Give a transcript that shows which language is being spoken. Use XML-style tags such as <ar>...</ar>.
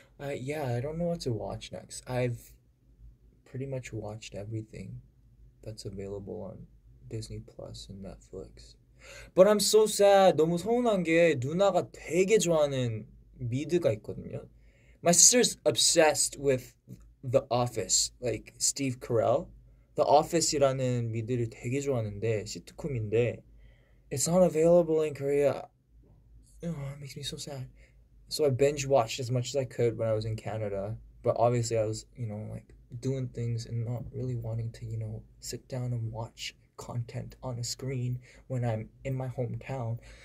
<en>Yeah, I don't know what to watch next. I've pretty much watched everything that's available on Disney Plus and Netflix. But I'm so sad.</en> <ko>너무 서운한 게 누나가 되게 좋아하는 미드가 있거든요.</ko> <en>My sister's obsessed with The Office, like Steve Carell.</en> <ko>The Office이라는 미드를 되게 좋아하는데 시트콤인데</ko> <en>it's not available in Korea. Oh, it makes me so sad. So I binge watched as much as I could when I was in Canada, but obviously I was, like doing things and not really wanting to, sit down and watch content on a screen when I'm in my hometown.</en>